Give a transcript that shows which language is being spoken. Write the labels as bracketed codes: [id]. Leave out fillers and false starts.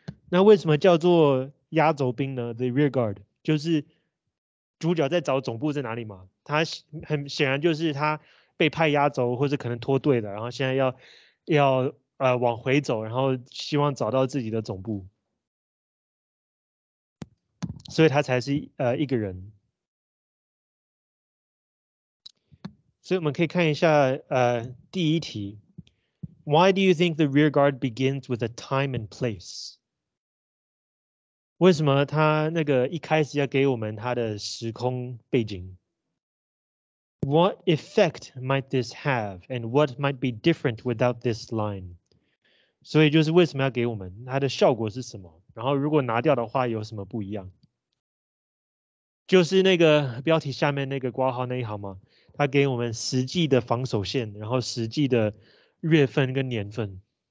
[zh] 那为什么叫做压轴兵呢？The rear guard 就是主角在找总部在哪里嘛，他很显然就是他被派压轴或是可能脱队的，然后现在要往回走，然后希望找到自己的总部，所以他才是一个人。所以我们可以看一下第一题。 [en] Why do you think the rear guard begins with a time and place? [zh] 为什么他那个一开始要给我们他的时空背景？ [en] What effect might this have and what might be different without this line? [zh] 所以就是为什么要给我们他的效果是什么，然后如果拿掉的话有什么不一样。就是那个标题下面那个括号那一行吗，他给我们实际的防守线，然后实际的月份跟年份。